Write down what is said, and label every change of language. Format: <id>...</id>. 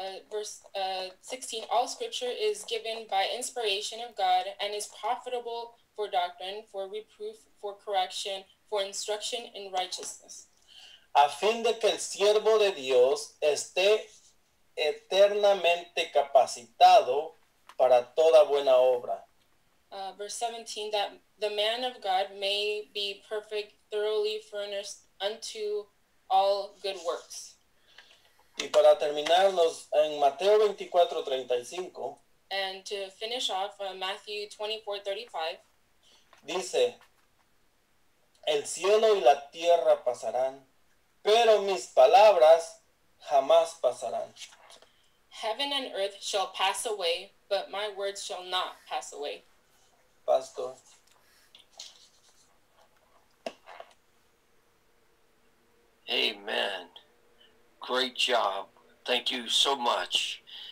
<en>Verse 16, all scripture is given by inspiration of God and is profitable for doctrine, for reproof, for correction, for instruction in righteousness.</en> <es>A fin de que el siervo de Dios esté eternamente capacitado para toda buena obra.</es> <en>Verse 17, that the man of God may be perfect, thoroughly furnished unto all good works.</en> <es>Y para terminarnos en Mateo 24:35.</es> <en>And to finish off Matthew 24:35.</en> <es>Dice, el cielo y la tierra pasarán, pero mis palabras jamás pasarán.</es> <en>Heaven and earth shall pass away, but my words shall not pass away. Pastor. Amen. Great job. Thank you so much.</en>